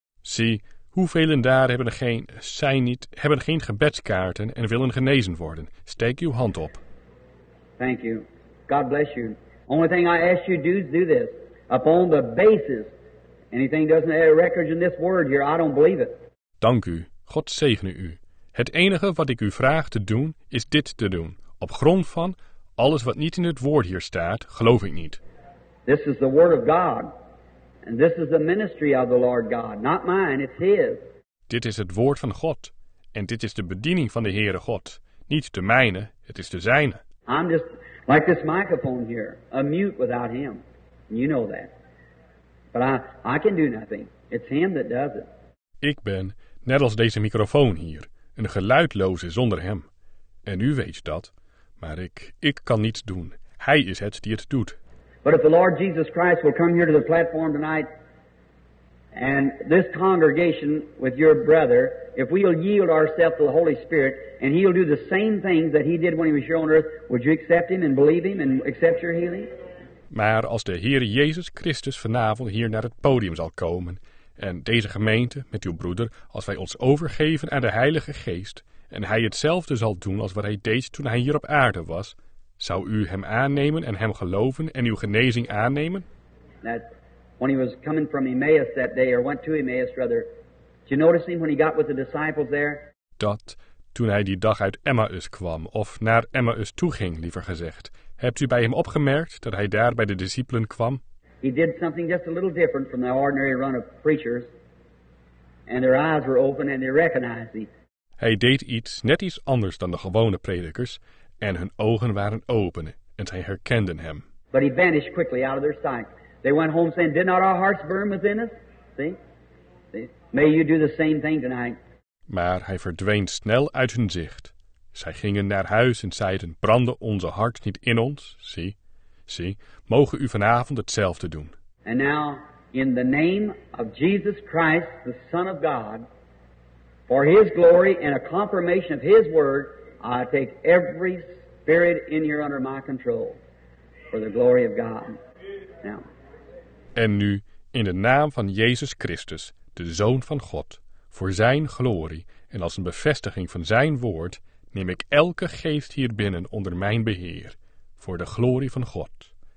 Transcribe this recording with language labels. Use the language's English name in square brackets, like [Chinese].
[Dutch] See, hoeveelen daar hebben geen gebedskaarten en willen genezen worden? Steek uw hand op. [English] Thank you. God bless you. Only thing I ask you to do is do this. Upon the basis. Anything doesn't have a record in this word here, I don't believe it. [Dutch] Dank u. God zegene u. Het enige wat ik u vraag te doen, is dit te doen. Op grond van alles wat niet in het woord hier staat, geloof ik niet. [English] This is the word of God. And this is the ministry of the Lord God, not mine, it's his. [Dutch] Dit is het woord van God, en dit is de bediening van de Heere God, niet de mijne, het is de zijne. [English] I'm just like this microphone here, a mute without him, you know that. But I can do nothing, it's him that does it. [Dutch] Ik ben, net als deze microfoon hier, een geluidloze zonder hem. En u weet dat, maar ik kan niets doen, hij is het die het doet. [English] But if the Lord Jesus Christ will come here to the platform tonight, and this congregation with your brother, if we'll yield ourselves to the Holy Spirit, and he'll do the same things that he did when he was here on earth, would you accept him and believe him and accept your healing? [Dutch] Maar als de Heer Jezus Christus vanavond hier naar het podium zal komen, en deze gemeente met uw broeder, als wij ons overgeven aan de Heilige Geest, en hij hetzelfde zal doen als wat hij deed toen hij hier op aarde was, zou u hem aannemen en hem geloven en uw genezing aannemen? [English] That when he was coming from Emmaus that day, or went to Emmaus rather, did you notice him when he got with the disciples there? [Dutch] Dat toen hij die dag uit Emmaus kwam, of naar Emmaus toe ging, liever gezegd, hebt u bij hem opgemerkt dat hij daar bij de discipelen kwam? [English] He did something just a little different from the ordinary run of preachers, and their eyes were open and they recognized him. [Dutch] Hij deed iets net iets anders dan de gewone predikers. En hun ogen waren open, en zij herkenden hem. [English] But he vanished quickly out of their sight. They went home saying, did not our hearts burn within us? See? May you do the same thing tonight. [Dutch] Maar hij verdween snel uit hun zicht. Zij gingen naar huis en zeiden, brandde onze hart niet in ons? See? Mogen u vanavond hetzelfde doen. [English] And now, in the name of Jesus Christ, the Son of God, for his glory and a confirmation of his word, I take every spirit in here under my control for the glory of God. Now. [Dutch] En nu, in de naam van Jezus Christus, de Zoon van God, voor zijn glorie en als een bevestiging van zijn woord, neem ik elke geest hier binnen onder mijn beheer, voor de glorie van God.